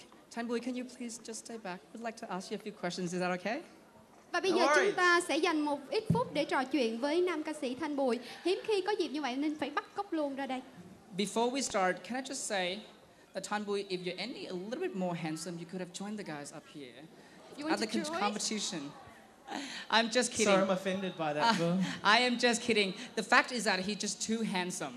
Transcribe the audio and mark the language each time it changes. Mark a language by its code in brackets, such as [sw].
[en] Thanh Bui, can you please just stay back? We'd like to ask you a few questions, is that okay? [vi] Và bây giờ chúng ta sẽ dành một ít phút để trò chuyện với nam ca sĩ Thanh Bùi. Hiếm khi có dịp như vậy nên phải bắt cóc luôn ra đây. [en] Before we start, can I just say that Thanh Bùi, if you're any a little bit more handsome, you could have joined the guys up here at the competition. I'm just kidding. Sorry, I'm offended by that. I am just kidding. The fact is that he's just too handsome.